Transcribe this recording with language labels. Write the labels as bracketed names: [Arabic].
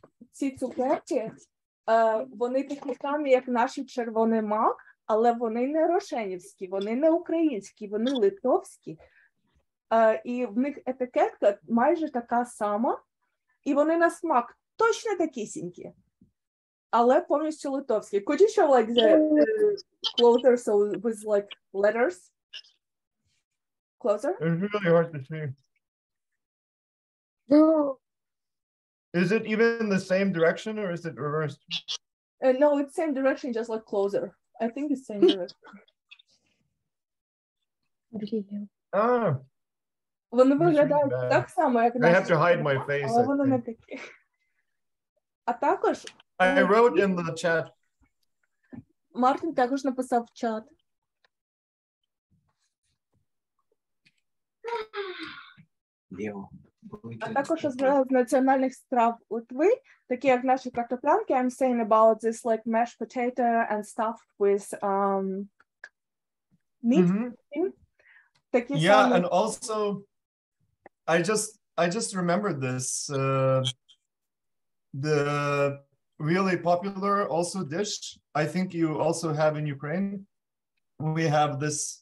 [Ukrainian] Ці цукерки, вони такі самі, як наші червоний мак, але вони не рошенівські, вони не українські, вони литовські. І в них етикетка майже така сама, і вони на смак точно такісінькі. Але повністю литовські. [English] Could you show like the closer so with like letters? Closer? It's really hard to see. No. Is it even in the same direction or is it reversed? No, it's same direction, just like closer. I think it's same direction. Ah. [Ukrainian] Вони виглядають так само, як [English] I have to hide my face. [Ukrainian] Але вони не такі. А також [English] I wrote in the chat. [Ukrainian] Мартін також написав в чат. А також з національних страв Литви, такі як наші картоплянки. [English] I'm saying about this like mashed potato and stuff with meat. [Ukrainian] Такі самі. [English] Yeah, and also I just remembered this the really popular also dish I think you also have in Ukraine. We have this